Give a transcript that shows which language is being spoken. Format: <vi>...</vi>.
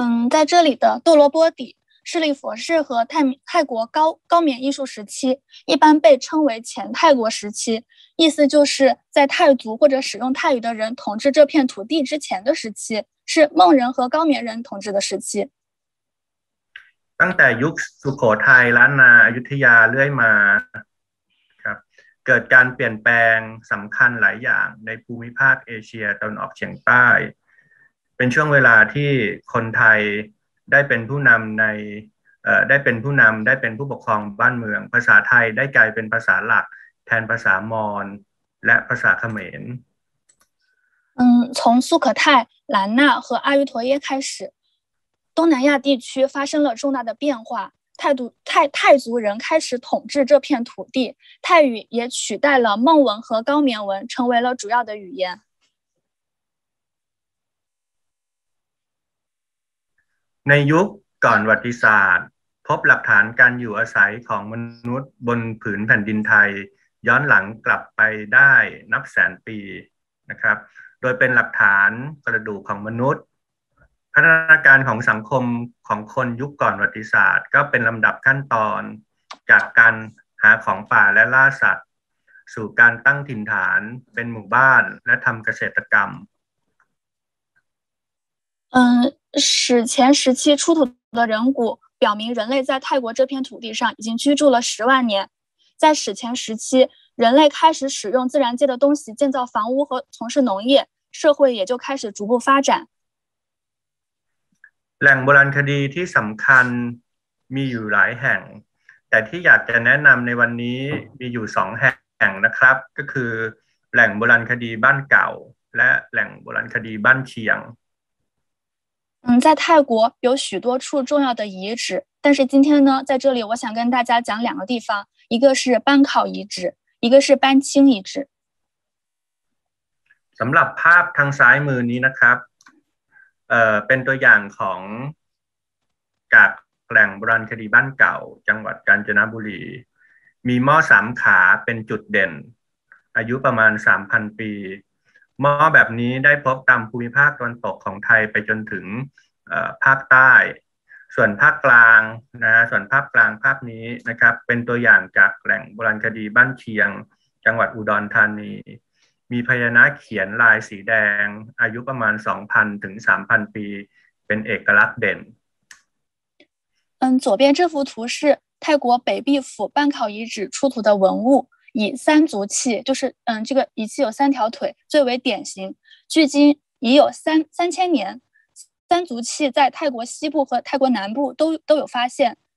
<zh>在这里的堕罗波底、势力佛氏和泰国高棉艺术时期一般被称为前泰国时期，意思就是在泰族或者使用泰语的人统治这片土地之前的时期，是孟人和高棉人统治的时期。</zh> <th>ตั้งแต่ยุคสุโขทัยล้านนาอยุธยาเรื่อยมาครับเกิดการเปลี่ยนแปลงสำคัญหลายอย่างในภูมิภาคเอเชียตะวันออกเฉียงใต้เป็นช่วงเวลาที่คนไทยได้เป็นผู้นำในได้เป็นผู้ปกครองบ้านเมืองภาษาไทยได้กลายเป็นภาษาหลักแทนภาษามอญและภาษาเขมร</th> <zh>从素可泰、兰纳和阿瑜陀耶开始，东南亚地区发生了重大的变化。泰族人开始统治这片土地，泰语也取代了孟文和高棉文，成为了主要的语言。</zh> <th>ในยุคก่อนประวัติศาสตร์พบหลักฐานการอยู่อาศัยของมนุษย์บนผืนแผ่นดินไทยย้อนหลังกลับไปได้นับแสนปีนะครับโดยเป็นหลักฐานกระดูกของมนุษย์พัฒนาการของสังคมของคนยุคก่อนประวัติศาสตร์ก็เป็นลำดับขั้นตอนจากการหาของป่าและล่าสัตว์สู่การตั้งถิ่นฐานเป็นหมู่บ้านและทำเกษตรกรรม</th> <zh>史前时期出土的人骨表明人类在泰国这片土地上已经居住了10万年。在史前时期，人类开始使用自然界的东西建造房屋和从事农业，社会也就开始逐步发展。</zh> <th>แหล่งโบราณคดีที่สำคัญมีอยู่หลายแห่งแต่ที่อยากจะแนะนำในวันนี้มีอยู่2แห่งนะครับก็คือแหล่งโบราณคดีบ้านเก่าและแหล่งโบราณคดีบ้านเชียง</th> <zh>在泰国有许多处重要的遗址，但是今天呢，在这里我想跟大家讲两个地方，一个是班考遗址，一个是班清遗址。</zh> <th>สำหรับภาพทางซ้ายมือนี้นะครับ เป็นตัวอย่างของจากแหล่งโบราณคดีบ้านเก่าจังหวัดกาญจนบุรีมีหม้อสามขาเป็นจุดเด่นอายุประมาณ 3,000 ปีหม้อแบบนี้ได้พบตามภูมิภาคตะวันตกของไทยไปจนถึง ภาคใต้ส่วนภาคกลางนะส่วนภาคกลางภาพนี้นะครับเป็นตัวอย่างจากแหล่งโบราณคดีบ้านเชียงจังหวัดอุดรธานีมีพยานะเขียนลายสีแดงอายุประมาณ 2,000 ถึง 3,000 ปีเป็นเอกลักษณ์เด่น</th> <zh>左边这幅图是泰国北壁府半考遗址出土的文物以三足器，就是这个仪器有三条腿，最为典型。距今已有3000年，三足器在泰国西部和泰国南部都有发现。</zh>